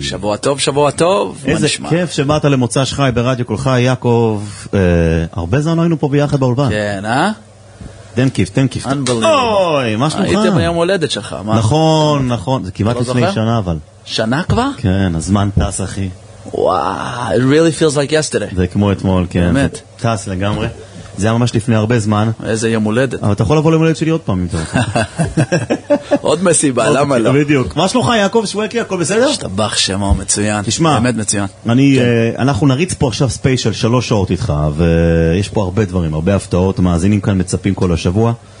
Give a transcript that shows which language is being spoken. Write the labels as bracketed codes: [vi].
[he] שבוע טוב, שבוע טוב. איזה כיף שבאת למוצ"ש חי ברדיו קול חי, יעקב. הרבה זמן היינו פה ביחד באולפן. כן, אה? תן כיף. אוי, מה שלומך? הייתם ביום הולדת שלך, מה? נכון, זה כמעט לפני שנה, אבל. שנה כבר? כן, הזמן טס, אחי. [en] וואו, it really feels like yesterday. [he] זה כמו אתמול, כן. באמת. טס לגמרי. זה היה ממש לפני הרבה זמן. איזה יום הולדת. אבל אתה יכול לבוא למולדת שלי עוד פעם, אם אתה רוצה. עוד מסיבה, למה לא? בדיוק. מה שלומך, יעקב שוואקי, הכל בסדר? שתבח שמו, מצוין. תשמע. באמת מצוין. אנחנו נריץ פה עכשיו ספיישל שלוש שעות איתך, ויש פה הרבה דברים, הרבה הפתעות, מאזינים כאן מצפים כל השבוע.